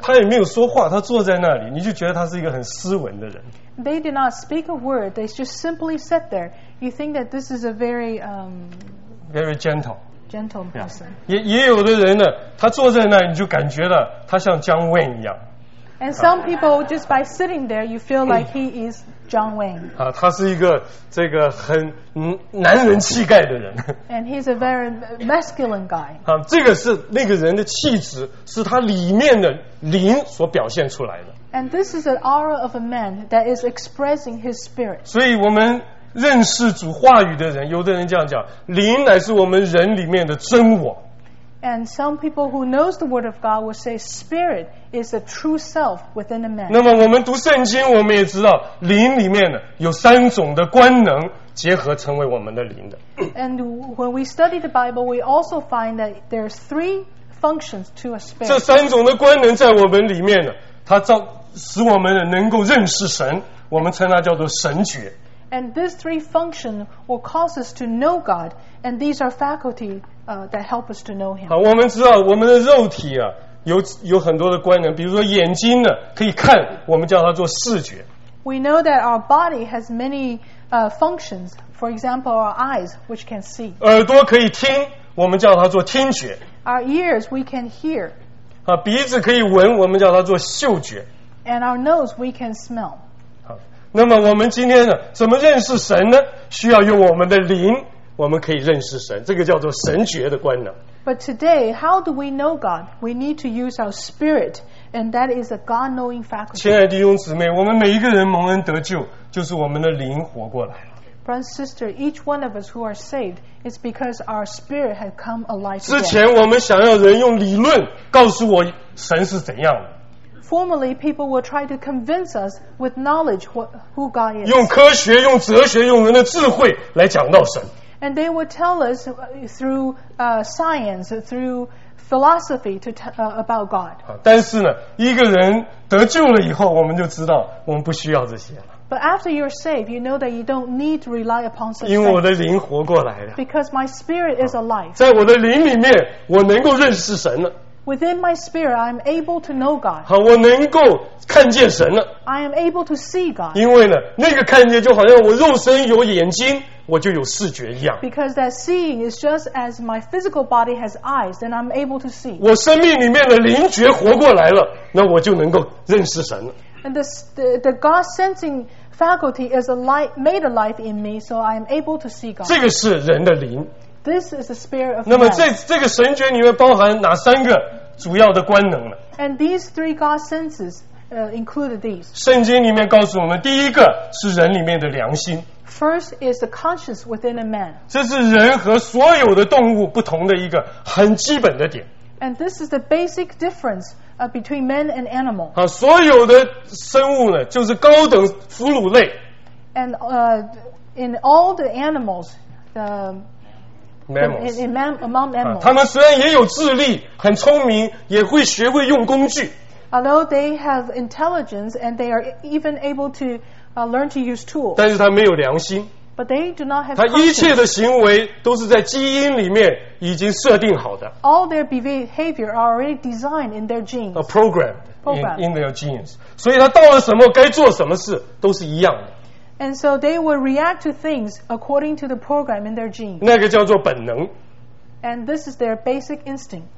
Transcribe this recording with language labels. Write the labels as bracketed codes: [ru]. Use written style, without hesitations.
[zh] 他也没有说话，他坐在那里，你就觉得他是一个很斯文的人。 [en] They did not speak a word. They just simply sat there. You think that this is a very very gentle person. Yeah. [zh] 也有的人呢，他坐在那里，你就感觉了他像 John Wayne 一样。 [en] And some people just by sitting there, you feel like he is John Wayne. [zh] 啊，他是一个这个很男人气概的人。 [en] And he's a very masculine guy. [zh] 啊，这个是那个人的气质，是他里面的灵所表现出来的。 [en] And this is an aura of a man that is expressing his spirit. [zh] 所以我们认识主话语的人，有的人这样讲，灵乃是我们人里面的真我。 [en] And some people who knows the word of God will say spirit is the true self within a man. [zh] 那么我们读圣经，我们也知道灵里面呢有三种的官能结合成为我们的灵的。 [en] And when we study the Bible, we also find that there's three functions to a spirit. [zh] 这三种的官能在我们里面呢，它造使我们能够认识神，我们称它叫做神觉。 [en] And these three functions will cause us to know God, and these are faculty that help us to know Him. [zh] 好，我们知道我们的肉体啊，有很多的官能，比如说眼睛呢可以看，我们叫它做视觉。 [en] We know that our body has many functions. For example, our eyes, which can see. [zh] 耳朵可以听，我们叫它做听觉。 [en] Our ears, we can hear. [zh] 啊，鼻子可以闻，我们叫它做嗅觉。 [en] And our nose, we can smell. [zh] 那么我们今天呢，怎么认识神呢？需要用我们的灵，我们可以认识神，这个叫做神觉的官能。 [en] But today, how do we know God? We need to use our spirit, and that is a God-knowing faculty. [zh] 亲爱的弟兄姊妹，我们每一个人蒙恩得救，就是我们的灵活过来了。 [en] Brothers and sisters, each one of us who are saved is because our spirit had come alive. [zh] 之前我们想要人用理论告诉我神是怎样的。 [en] Formerly, people will try to convince us with knowledge who God is. [zh] 用科学、用哲学、用人的智慧来讲到神。 [en] And they will tell us through science, through philosophy to about God. [zh] 但是呢，一个人得救了以后，我们就知道我们不需要这些了。 [en] But after you're saved, you know that you don't need to rely upon such things. [zh] 因为我的灵活过来了。 [en] Because my spirit is alive. [zh] 在我的灵里面，我能够认识神了。 [en] Within my spirit, I'm able to know God. [zh] 好，我能够看见神了。 [en] I am able to see God. [zh] 因为呢，那个看见就好像我肉身有眼睛，我就有视觉一样。 [en] Because that seeing is just as my physical body has eyes, then I'm able to see. [zh] 我生命里面的灵觉活过来了，那我就能够认识神了。 [en] And the God sensing faculty is made alive in me, so I'm able to see God. [zh] 这个是人的灵。 [en] This is the spirit of God. [zh] 那么这个神觉里面包含哪三个主要的官能呢？ [en] And these three God senses included these. [zh] 圣经里面告诉我们，第一个是人里面的良心。 [en] First is the conscience within a man. [zh] 这是人和所有的动物不同的一个很基本的点。 [en] And this is the basic difference between man and animal. [zh] 啊，所有的生物呢，就是高等哺乳类。 [en] And in all the animals, the Mammals. [zh] 他们虽然也有智力，很聪明，也会学会用工具。 [en] Although they have intelligence and they are even able to learn to use tools. [zh] 但是他没有良心。 [en] But they do not have. [zh] 他一切的行为都是在基因里面已经设定好的。 [en] All their behavior are already designed in their genes. Programmed in their genes. [zh] 所以他到了什么该做什么事都是一样的。 [en] And so they will react to things according to the program in their genes. [zh] 那个叫做本能。 [en] And this is their basic instinct.